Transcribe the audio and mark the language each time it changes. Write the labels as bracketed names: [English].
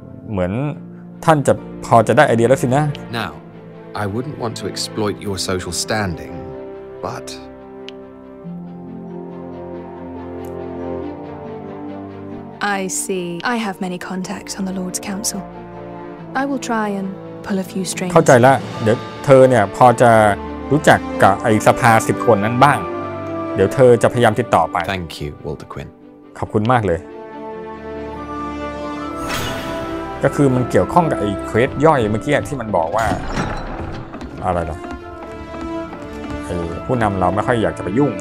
[Thai] เหมือนท่านจะพอจะได้ไอเดียแล้วสินะ [English] Now I wouldn't want to exploit your social standing but I see I have many contacts on the Lord's Council I will try and pull a few strings [Thai] เข้าใจละเดี๋ยวเธอเนี่ยพอจะรู้จักกับไอ้สภา10คนนั้นบ้างเดี๋ยวเธอจะพยายามติดต่อไป [English] Thank you Walter Quinn [Thai] ขอบคุณมากเลยก็คือมันเกี่ยวข้องกับไอ้เควสย่อยเมื่อกี้ที่มันบอกว่าอะไรล่ะไอ้ผู้นำเราไม่ค่อยอยากจะไปยุ่ง